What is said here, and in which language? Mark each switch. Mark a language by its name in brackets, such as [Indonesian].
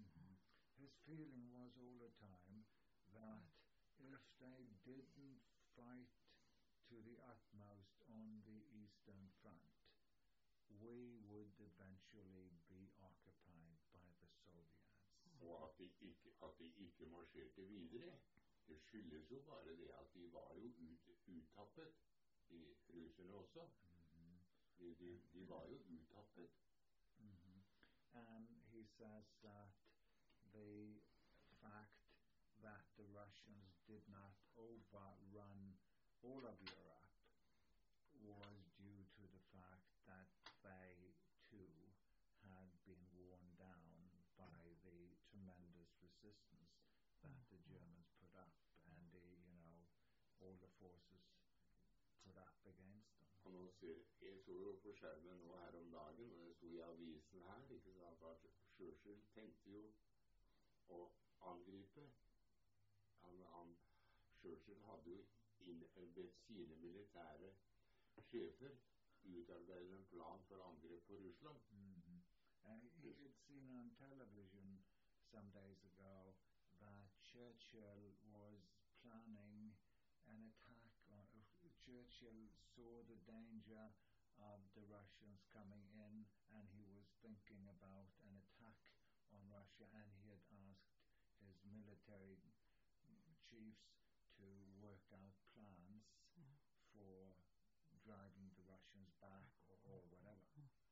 [English] Mm-hmm. His feeling was all the time that if they didn't fight to the utmost on the Eastern Front, we would eventually be occupied by the Soviets. [Norwegian] Og at de ikke marsjerte videre. Det skyldes jo bare det at de var jo uttappet, de russene også. Mm-hmm. De var jo uttappet. [English] And he says that the fact that the Russians did not overrun all of Europe was due to the fact that they too had been worn down by the tremendous resistance that the Germans put up, and the, you know, all the forces put up against them. [Norwegian] Og nå ser jeg så jo på skjermen nå her om dagen, og det sto i avisen her, ikke sant, at Churchill tenkte jo å angripe. Churchill hadde jo innarbeidet sine militære sjefer utarbeidet en plan for angrep på Russland. Mm-hmm. [English] I'd seen on television some days ago that Churchill was planning an attack on, Churchill saw the danger of the Russians coming in, and he was thinking about an attack on Russia, and he had asked his military chiefs to work out plans for driving the Russians back or whatever.